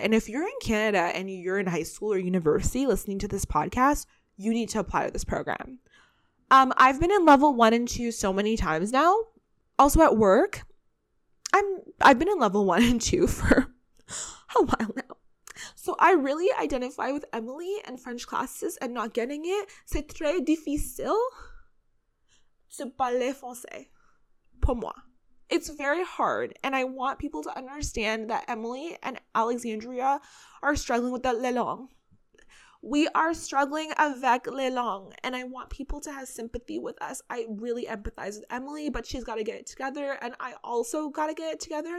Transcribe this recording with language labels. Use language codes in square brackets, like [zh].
[en] And if you're in Canada and you're in high school or university listening to this podcast, you need to apply to this program. I've been in level one and two so many times now. Also at work, I've been in level one and two for a while now. So I really identify with Emily and French classes and not getting it. [fr] C'est très difficile de parler français pour moi. [en] It's very hard. And I want people to understand that Emily and Alexandria are struggling with the [fr] la langue. [en] We are struggling [fr] avec les langues, [en] and I want people to have sympathy with us. I really empathize with Emily, but she's got to get it together, and I also got to get it together.